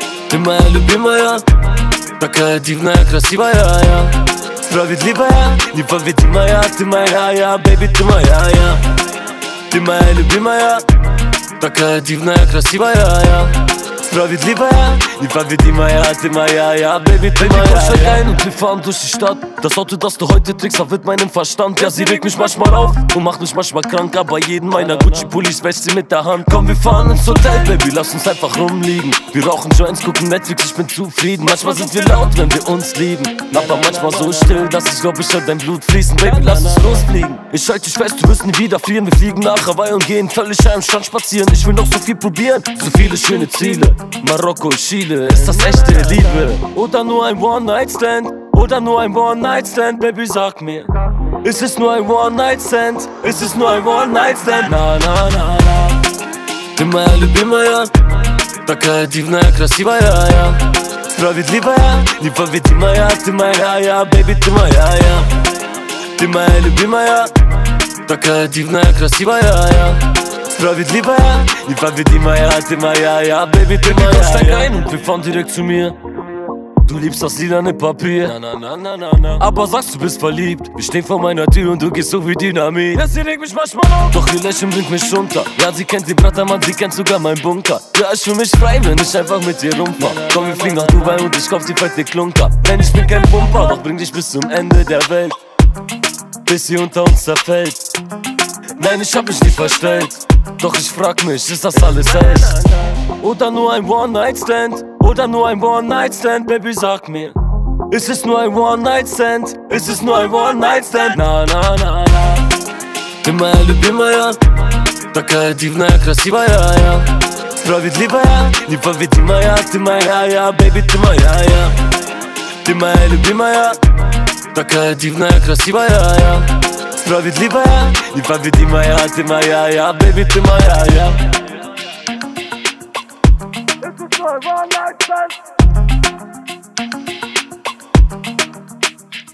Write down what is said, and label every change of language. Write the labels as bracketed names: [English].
[Russian] Ты моя любимая, такая дивная, красивая я. Справедливая, непобедимая, ты моя я, baby, ты моя я. Ты моя любимая, такая дивная, красивая я. Справедливая, непобедимая, ты моя я, baby, ты моя я. [German] Baby, komm schon rein und wir fahren durch die Stadt. Das Auto, das du heute trägst, verwirrt meinen Verstand. Ja, sie regt mich manchmal auf und macht mich manchmal krank. Aber jeden meiner Gucci-Pullis wäscht sie mit der Hand. Komm, wir fahren ins Hotel, baby, lass uns einfach rumliegen. Wir rauchen Joints, gucken Netflix, ich bin zufrieden. Manchmal sind wir laut, wenn wir uns lieben. Aber manchmal so still, dass ich glaub, ich hör dein Blut fließen. Baby, lass uns losfliegen. Ich halte dich fest, du wirst nie wieder frieren. Wir fliegen nach Hawaii und gehen völlig am Strand spazieren. Ich will noch so viel probieren, so viele schöne Ziele. Marokko, Chile, ist das echte Liebe? Oder nur ein One-Night-Stand? Oder nur ein One-Night-Stand? Baby, sag mir, ist es nur ein One-Night-Stand? Ist es nur ein One-Night-Stand? Na, na, na, na. [Russian] Ты моя любимая, такая дивная, красивая я. Справедливая, непобедимая, ты моя я. Baby, ты моя я. Ты моя любимая, такая дивная, красивая я. Справедливая, непобедимая, ты моя я, baby, ты моя. [German] Ich steig rein und wir fahren direkt zu mir. Du liebst das lilane Papier. Na, na, na, na, na, na. Aber sagst, du bist verliebt. Ich steh vor meiner Tür und du gehst so wie Dynamit. Ja, sie regt mich manchmal auf. Doch ihr Lächeln bringt mich runter. Ja, sie kennt den Bratermann, sie kennt sogar meinen Bunker. Ja, ich fühl mich frei, wenn ich einfach mit dir rumfahr. Komm, wir fliegen nach Dubai und ich kauf die fette Klunker. Denn ich bin kein Bumper, doch bring dich bis zum Ende der Welt. Bis sie unter uns zerfällt. Nein, ich hab mich nicht verstellt. Doch ich frag mich, ist das alles echt? Oder nur ein One-Night-Stand? Oder nur ein One-Night-Stand? Baby, sag mir, ist es nur ein One-Night-Stand? Ist es nur ein One-Night-Stand? Na, na, na, na. [Russian] Ты моя любимая, такая дивная, красивая я. Справедливая, непобедимая, ты моя я. Baby, ты моя я. Ты моя любимая, такая дивная, красивая я. Справедливая, непобедимая, ты моя я, baby, ты моя я.